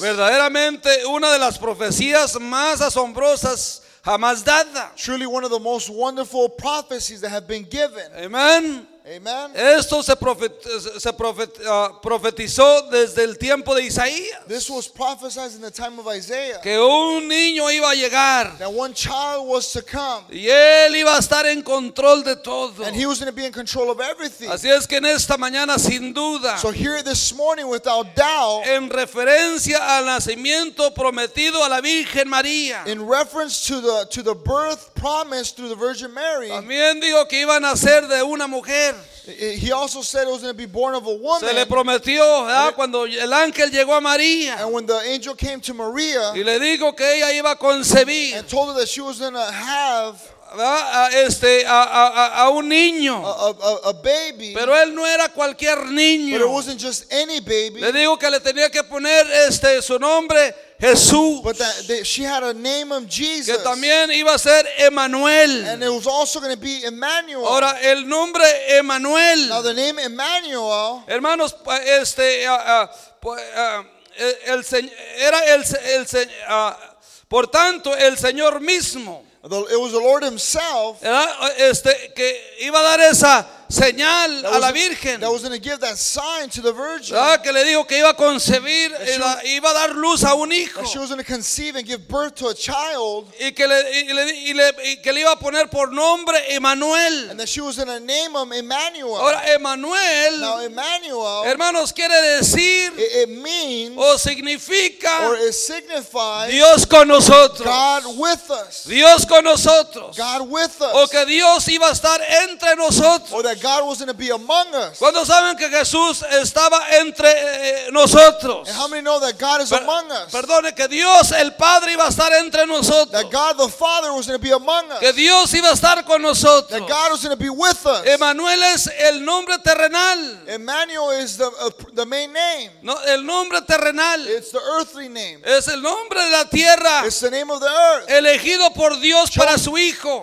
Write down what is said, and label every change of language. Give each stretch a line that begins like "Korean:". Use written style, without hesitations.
Spanish: Verdaderamente una de las profecías más asombrosas jamás dada.
English: Truly one of the most wonderful prophecies that have been given.
Spanish: Amen.
English: Amen.
Spanish: Esto se profetizó desde el tiempo de Isaías.
English: This was prophesied in the time of Isaiah.
Spanish: Que un niño iba a llegar.
English: That one child was to come.
Spanish: Y él iba a estar en control de todo.
English: And he was going to be in control of everything.
Spanish: Así es que en esta mañana, sin duda.
English: So here this morning, without doubt.
Spanish: En referencia al nacimiento prometido a la Virgen María.
English: In reference to the birth promised through the Virgin Mary.
Spanish: También dijo que iba a nacer de una mujer.
English: He also said it was going to be born of a woman.
Spanish: Se le prometió, ¿verdad? Cuando el ángel llegó a María.
English: And when the angel came to Maria.
Spanish: Y le dijo que ella iba a concebir.
English: And told her that she was going to have.
Spanish: A un niño.
English: A baby.
Spanish: Pero él no era cualquier niño.
English: But it wasn't just any baby.
Spanish: Le dijo que le tenía que poner su nombre. Jesús.
English: But that she had a name of Jesus.
Spanish: Que también iba a ser Emmanuel.
English: And it was also going to be Emmanuel.
Spanish: Ahora, el nombre Emmanuel.
English: Now the name Emmanuel.
Spanish: Hermanos, por tanto, el Señor mismo.
English: It was the Lord himself.
Spanish: Que iba a dar esa señal a la Virgen.
English: That was going to give that sign to the Virgin.
Spanish: Que le dijo que iba a concebir y iba a dar luz a un hijo.
English: She was going to conceive and give birth to a child.
Spanish: Y que le iba a poner por nombre Emmanuel.
English: And that she was going to name him Emmanuel.
Spanish: Ahora Emmanuel.
English: Now Emmanuel.
Spanish: Hermanos, quiere decir.
English: It means.
Spanish: O significa.
English: Or it signifies.
Spanish: Dios con nosotros.
English: God with us.
Spanish: Dios con nosotros.
English: God with us.
Spanish: O que Dios iba a estar entre nosotros.
English: Or that God was going to be among us.
Spanish: ¿Cuándo saben que Jesús estaba entre nosotros?
English: And how many know that God is among us?
Spanish: Perdone, que Dios el Padre iba a estar entre nosotros.
English: That God the Father was going to be among us.
Spanish: Que Dios iba a estar con nosotros.
English: That God was going to be with us.
Spanish: Emmanuel es el nombre terrenal.
English: Emmanuel is the main name.
Spanish: No, el nombre terrenal.
English: It's the earthly name.
Spanish: Es el nombre de la tierra.
English: It's the name of the earth.
Spanish: Elegido por Dios para su hijo.